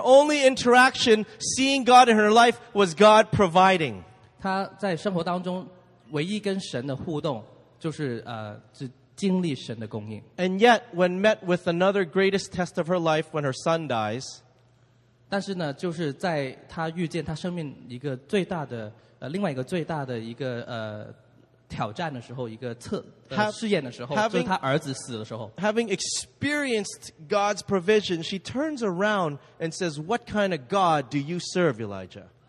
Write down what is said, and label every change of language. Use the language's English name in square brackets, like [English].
[English] only interaction seeing God in her life was God providing. [Chinese] 她在生活当中唯一跟神的互动，就是只经历神的供应。 [English] And yet, when met with another greatest test of her life, when her son dies. [Chinese] 但是呢，就是在她遇见她生命一个最大的另外一个最大的一个挑战的时候，一个试验的时候，就是她儿子死的时候。 [English] Having experienced God's provision, she turns around and says, "What kind of God do you serve, Elijah?"